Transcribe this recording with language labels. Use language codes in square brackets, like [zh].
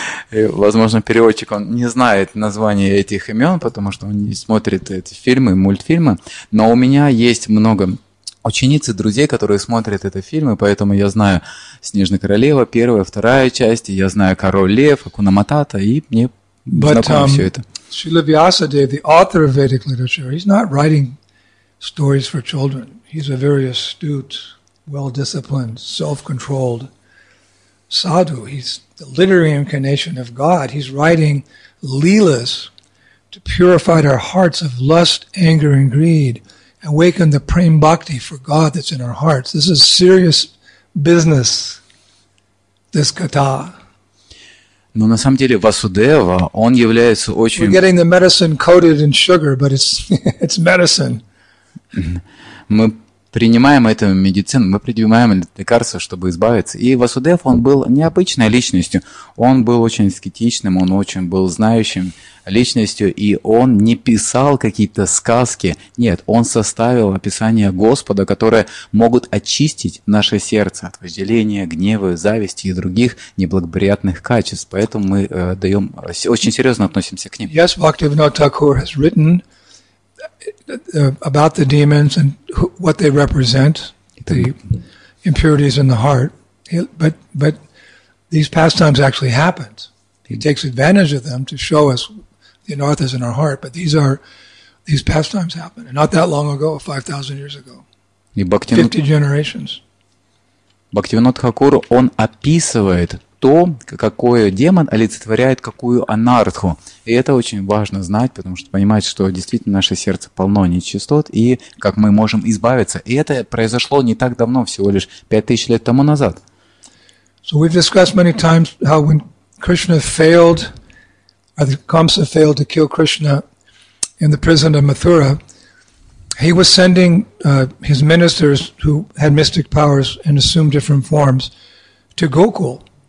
[ru] И, возможно, переводчик он не знает названия этих имен, потому что он не смотрит эти фильмы, мультфильмы. Но у меня есть много учениц и друзей, которые смотрят эти фильмы, поэтому я знаю «Снежная королева», первая, вторая части, я знаю «Король лев», «Акуна Матата», и мне знакомо все это. [en] Шрила Вьясадева, the author of Vedic literature, he's not writing stories for children. He's a very astute, well-disciplined, self-controlled sadhu. He's the literary incarnation of God. He's writing leelas to purify our hearts of lust, anger, and greed, awaken the prem bhakti for God that's in our hearts. This is serious business, this katha. [ru] Но на самом деле Васудева, он является очень... [en] We're getting the medicine coated in sugar, but it's medicine. [ru] Мы принимаем эту медицину, мы принимаем лекарства, чтобы избавиться. И Васудев, он был необычной личностью. Он был очень скептичным, он очень был знающим личностью, и он не писал какие-то сказки. Нет, он составил описание Господа, которое могут очистить наше сердце от вожделения, гнева, зависти и других неблагоприятных качеств. Поэтому мы даем, очень серьезно относимся к ним. [en] Yes, Bhaktivinoda Thakur has written about the demons and what they represent, the impurities in the heart. But these pastimes actually happened. He takes advantage of them to show us the anarthas in our heart. But these pastimes happened. And not that long ago, 5,000 years ago, 50 generations. [ru] Bhaktivinoda Thakur, он описывает то, какой демон олицетворяет какую анартху. И это очень важно знать, потому что понимать, что действительно наше сердце полно нечистот, и как мы можем избавиться. И это произошло не так давно, всего лишь 5000 лет тому назад. [en] So we've discussed many times how when Krishna failed, or the Kamsa failed to kill Krishna in the prison of Mathura, he was sending his ministers who had mystic powers and assumed different forms to Gokul.